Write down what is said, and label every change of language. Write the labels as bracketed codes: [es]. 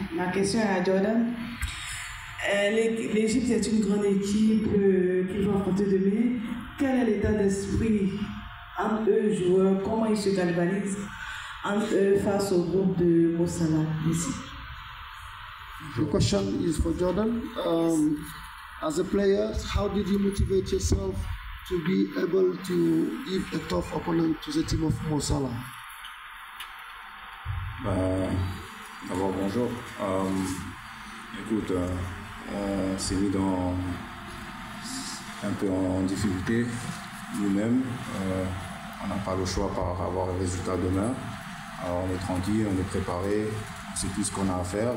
[fr] Ma question est à Jordan. L'Égypte est une grande équipe qui va affronter demain. Quel est l'état d'esprit entre eux, joueurs? Comment ils se galvanisent entre eux face au groupe de Mossala ici? [en] The question is for Jordan. As a player, how did you motivate yourself to be able to give a tough opponent to the team of Mossala? [fr] D'abord, bonjour. On s'est mis un peu en difficulté nous-mêmes. On n'a pas le choix par avoir le résultat demain. Alors, on est tranquille, on est préparé, on sait tout ce qu'on a à faire.